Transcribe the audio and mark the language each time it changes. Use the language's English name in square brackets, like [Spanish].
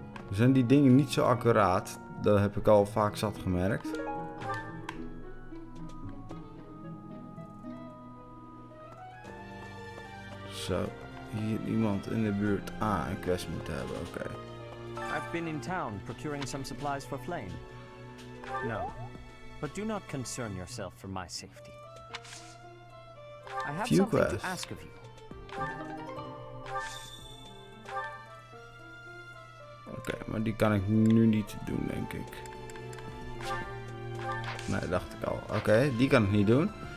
[Dutch] Zijn die dingen niet zo accuraat? Dat heb ik al vaak zat gemerkt. Zo, hier iemand in de buurt een quest moet hebben, oké. [English] Okay. I've been in town procuring some supplies for Flame. No, but do not concern yourself for my safety. I have few something quests to ask of you. [Dutch] Oké, maar die kan ik nu niet doen, denk ik. Nee, dacht ik al. Oké, die kan ik niet doen.